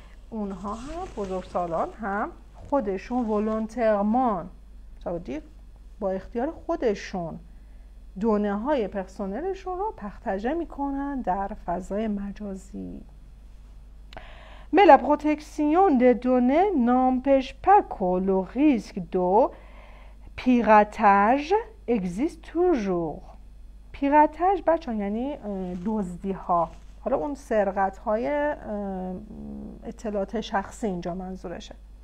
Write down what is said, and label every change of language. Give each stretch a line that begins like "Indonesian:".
Persian: اونها هم، بزرگ سالان هم، خودشون ولونترمان با اختیار خودشون دونه های پرسنلشون رو پختجه میکنن در فضای مجازی.
French: mais la protection des données n'empêche pas que le risque de piratage existe toujours.
Persian: پیراتاج بچه یعنی دزدی ها، حالا اون سرقت های اطلاعات شخصی اینجا منظورشه.